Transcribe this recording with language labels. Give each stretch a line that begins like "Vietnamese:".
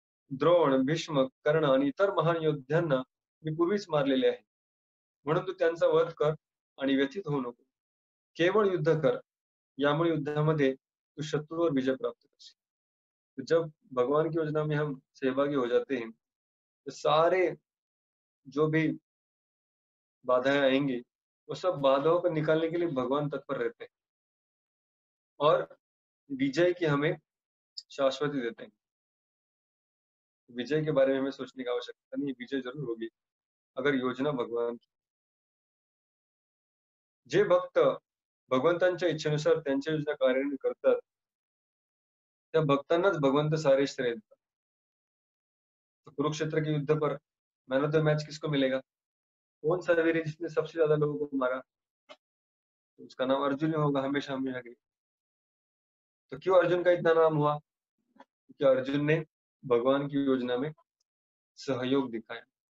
Marathi: द्रोण भीष्म कर्ण आणि इतर महान योद्ध्यांना मी पूर्वीच मारलेले आहे, म्हणून तू त्यांचा वध कर आणि व्यथित होऊ नको, केवळ युद्ध कर, यामुळे युद्धामध्ये तू शत्रूवर विजय प्राप्त करशील।
Hindi: तो जब भगवान की योजना में हम सहभागी हो जाते हैं तो सारे जो भी बाधाएं आएंगी वो सब बाधाओं को निकालने के लिए भगवान तत्पर रहते हैं और विजय की हमें शाश्वती देते हैं। विजय के बारे में हमें सोचने की आवश्यकता नहीं, विजय जरूर होगी अगर योजना भगवान की।
Marathi: जे भक्त भगवंतांच्या इच्छेनुसार त्यांच्या योजना कार्यान्वित करतात त्या भक्तांनाच भगवंत सारे श्रेय देतात।
Hindi: तो कुरुक्षेत्र के युद्ध पर मैन ऑफ द मैच किसको मिलेगा? कौन सा वीर जिसने सबसे ज्यादा लोगों को मारा? तो उसका नाम अर्जुन ही होगा हमेशा हमेशा के। तो क्यों अर्जुन का इतना नाम हुआ? क्योंकि अर्जुन ने भगवान की योजना में सहयोग दिखाया।